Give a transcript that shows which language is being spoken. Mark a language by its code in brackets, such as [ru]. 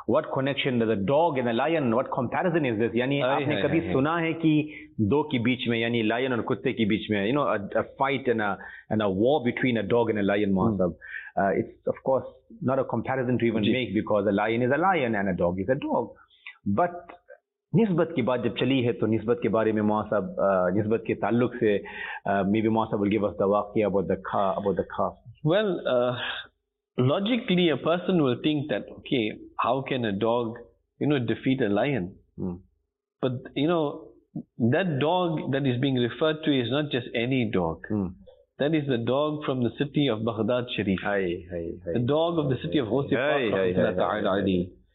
[en] What connection does a dog and a lion? What comparison is this? [ur] Yani, aapne kabhi suna hai ki do ki beech mein, [en] yani lion aur kutte ki beech mein, you know, a fight and a war between a dog and a lion, Mahasab. It's of course not a comparison to even make, because a lion is a lion and a dog is a dog. [ur] But نسبت کی بات جب چلی ہے تو نسبت کے بارے میں مواصب نسبت کے تعلق سے maybe مواصب [en] will give us the [ur] واقعہ [en] about the calf. Well, logically a person will think that, okay, how can a dog, you know, defeat a lion? But you know, that dog that is being referred to is not just any dog. That is the dog from the city of Baghdad Sharif. The dog of the city of Ghawse Paak.